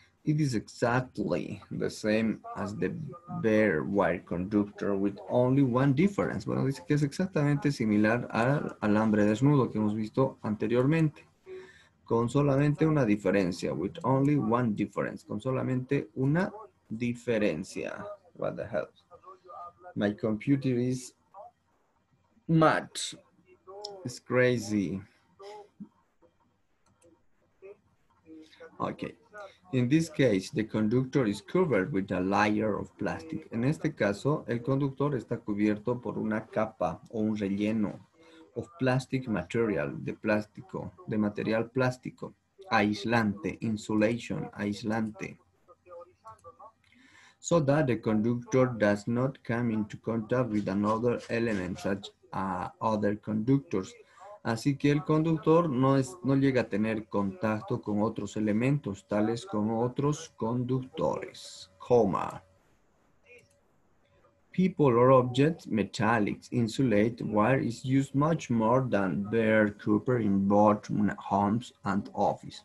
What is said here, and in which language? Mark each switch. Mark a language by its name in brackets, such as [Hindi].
[English] It is exactly the same as the bare wire conductor with only one difference. [Spanish] Bueno, dice que es exactamente similar al alambre desnudo que hemos visto anteriormente. Con solamente una diferencia. [English] With only one difference. [Spanish] Con solamente una diferencia. [English] What the hell? My computer is mad. It's crazy. Okay. In this case, the conductor is covered with a layer of plastic. [Spanish] En este caso, el conductor está cubierto por una capa o un relleno [English] of plastic material, [Spanish] de plástico, de material plástico, aislante, insulation, aislante. [English] So that the conductor does not come into contact with another element, such as other conductors. [Spanish] Así que el conductor no llega a tener contacto con otros elementos, tales como otros conductores. Coma. [English] People or objects, metallics, insulate, wire is used much more than bare copper in both homes and office.